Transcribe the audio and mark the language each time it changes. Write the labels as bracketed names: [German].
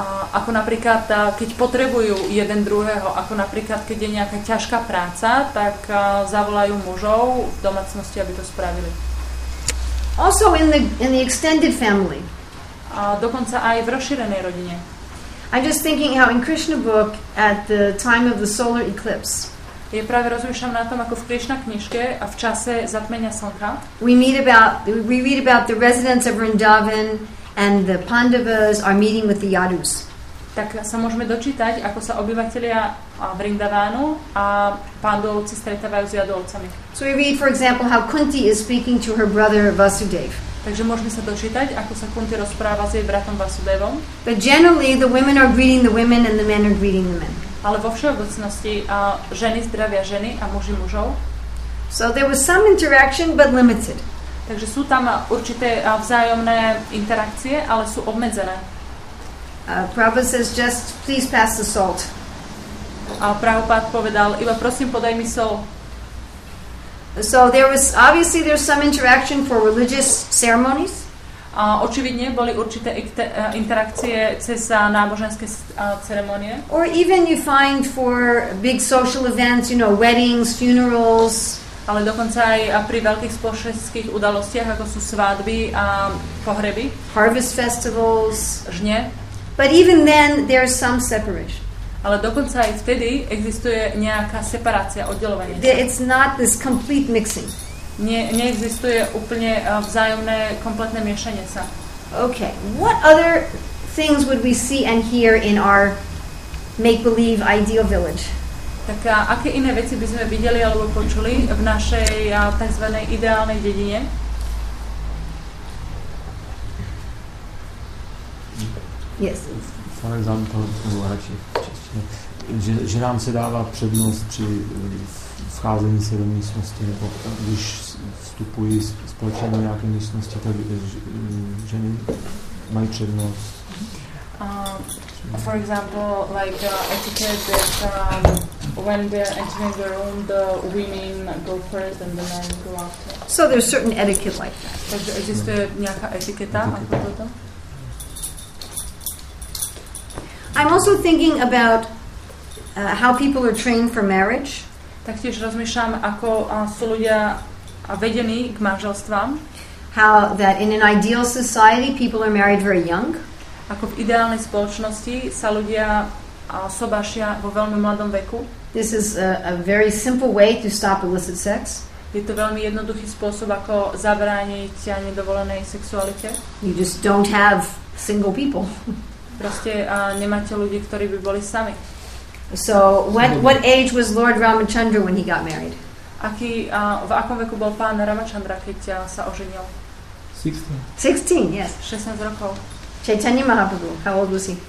[Slovak] Ako napríklad, keď potrebujú jeden druhého, ako napríklad, keď je nejaká ťažká práca, tak zavolajú mužov v domácnosti, aby to spravili. [English] Also in the extended family. [Slovak] A dokonca aj v rozšírenej rodine. [English] I'm just thinking how in Krishna book at the time of the solar eclipse. [Slovak] Je práve rozmýšľam na tom, ako v Krishna knižke a v čase zatmenia slnka. [English] We read about the residents of Vrindavan and the Pandavas are meeting with the Yadus. [Slovak] Tak sa môžeme dočítať, ako sa obyvatelia Vrindavanu a Pandovci stretávajú s Yadovcami. [English] So we read, for example, how Kunti is speaking to her brother Vasudev. [Slovak] Takže môžeme sa dočítať, ako sa Kunti rozpráva s jej bratom Vasudevom. [English] But generally, the women are greeting the women and the men are greeting the men. [Slovak] Ale vo všeobecnosti ženy zdravia ženy a muži mužov. [English] So there was some interaction, but limited. [Slovak] Takže sú tam určité vzájomné interakcie, ale sú obmedzené. [English] Prabhupada says just please pass the salt. [Slovak] A Prabhupada povedal, iba prosím podaj mi sol. [English] So there was obviously there's some interaction for religious ceremonies. [Slovak] A očividne boli určité interakcie cez náboženské ceremonie. [English] Or even you find for big social events, you know, weddings, funerals. [Slovak] Ale dokonca aj pri veľkých spoločenských udalostiach, ako sú svadby a pohreby. [English] Harvest festivals. [Slovak] Žne. [English] But even then there is some separation. [Slovak] Ale dokonca aj vtedy existuje nejaká separácia, oddeľovanie. [English] It's not this complete mixing. [Slovak] Neexistuje úplne vzájomné kompletné miešanie sa. [English] Okay. What other things would we see and hear in our make-believe ideal village? [Slovak] Tak aké iné veci by sme videli alebo počuli v našej tzv. Ideálnej dedine? [English] Yes. For example, [Czech] nebo radšej v češtině, že nám se dává přednost při vcházení se do místnosti, nebo když vstupují společně do nějaké místnosti, tak ženy mají přednost. [English] For example, like etiquette that when they are entering the room, the women go first and the men go after. So there's certain etiquette like that. [Slovak] Takže existuje nějaká etiketa, ako toto? [English] I'm also thinking about how people are trained for marriage. [Slovak] Taktiež rozmýšľam, ako sú ľudia vedení k manželstvám. [English] How that in an ideal society people are married very young. [Slovak] Ako v ideálnej spoločnosti sa ľudia sobášia vo veľmi mladom veku. [English] This is a very simple way to stop illicit sex. [Slovak] Je to veľmi jednoduchý spôsob, ako zabrániť nedovolenej sexualite. [English] You just don't have single people. [Slovak] Proste nemáte ľudí, ktorí by boli sami. [English] So, what age was Lord Ramachandra when he got married? [Slovak] Aký, v akom veku bol pán Ramachandra, keď sa oženil? [English] 16. Yes. [Slovak] 16 rokov. [English] Chaitanya Mahaprabhu, how old was he?